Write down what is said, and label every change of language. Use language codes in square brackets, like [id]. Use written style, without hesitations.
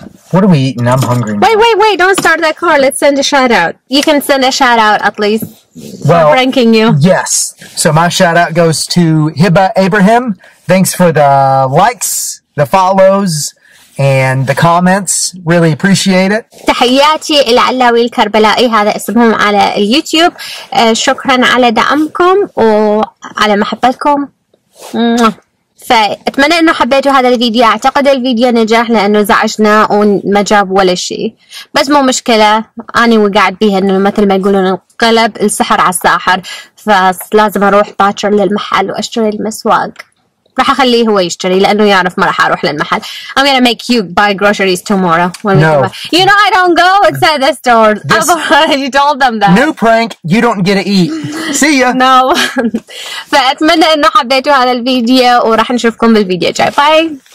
[en] What are we eating? I'm hungry. Wait. Don't start that car. Let's send a shout out. You can send a shout out at least. Well, for pranking you. Yes. So my shout out goes to Hibba Abraham. Thanks for the likes, the follows, and the comments. Really appreciate it. [ar] تحياتي إلى علاوي الكربلائي هذا اسمهم على اليوتيوب. شكرا على دعمكم وعلى محبتكم. فأتمنى أنه حبيتوا هذا الفيديو. أعتقد الفيديو نجح لأنه زعجنا وما جاب ولا شيء. بس مو مشكلة. أنا وقعت بيها أنه مثل ما يقولون القلب السحر على الساحر. فلازم أروح باتشر للمحل وأشتري المسواق. راح أخليه هو يشتري لأنه يعرف ما راح أروح للمحل. [en] I'm gonna make you buy groceries tomorrow. When no. You know I don't go inside the stores. I've already told them that. New prank. You don't get to eat. See ya. No. [ar] فأتمنى أنه حبيتوا هذا الفيديو وراح نشوفكم بالفيديو الجاي. [en] Bye.